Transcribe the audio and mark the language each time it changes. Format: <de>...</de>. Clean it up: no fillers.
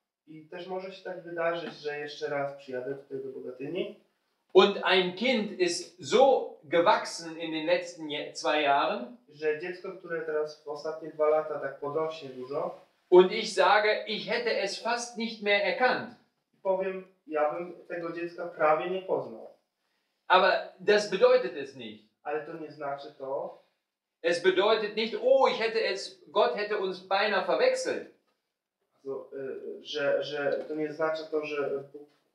<pl>I też może się tak wydarzyć, że jeszcze raz przyjadę tutaj do Bogatyni.</pl> <de>Und ein Kind ist so gewachsen in den letzten zwei Jahren,</de> <pl>że dziecko, które teraz w ostatnie dwa lata tak podrośnie dużo.</pl> <de>Und ich sage, ich hätte es fast nicht mehr erkannt.</de> <pl>Powiem, ja bym tego dziecka prawie nie poznał.</pl> <de>Aber das bedeutet es nicht.</de> <pl>Ale to nie znaczy to.</pl> <de>Es bedeutet nicht, Gott hätte uns beinahe verwechselt.</de> <pl>Also, że to nie znaczy to, że Bóg...</pl>